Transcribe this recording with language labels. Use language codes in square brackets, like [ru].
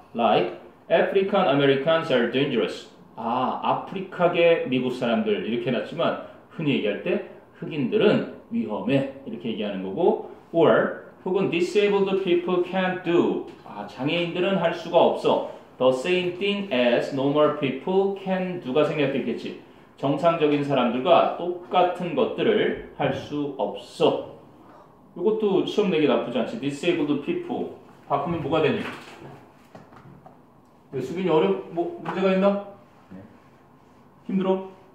[en] Like, African Americans are dangerous. [ko] 아, 아프리카계 미국 사람들 이렇게 해놨지만 흔히 얘기할 때 흑인들은 위험해 이렇게 얘기하는 거고. [en] Or, [ko] 혹은 [en] disabled people can't do. [ko] 아, 장애인들은 할 수가 없어. [en] The same thing as normal people can do가 [ko] 생각했겠지. 정상적인 사람들과 똑같은 것들을 할 수 없어. 이것도 시험 내기 나쁘지 않지. disabled people 바꾸면 뭐가 되니? 네, 수빈이 뭐 문제가 있나? 네. 힘들어?